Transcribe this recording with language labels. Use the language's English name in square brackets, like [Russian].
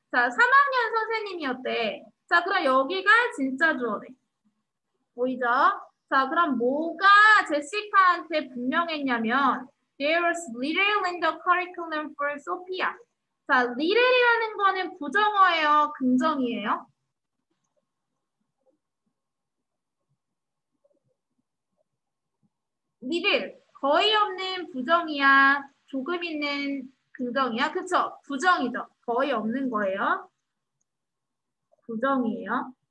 [Korean] 자, 3학년 선생님이었대. 자, 그럼 여기가 진짜 주어네. 보이죠? 자, 그럼 뭐가 제시카한테 분명했냐면 [English] There was little in the curriculum for Sophia. [Korean] 자, little이라는 거는 부정어예요? 긍정이에요? 미들, 거의 없는 부정이야, 조금 있는 긍정이야? 그쵸? 부정이죠. 거의 없는 거예요. 부정이에요.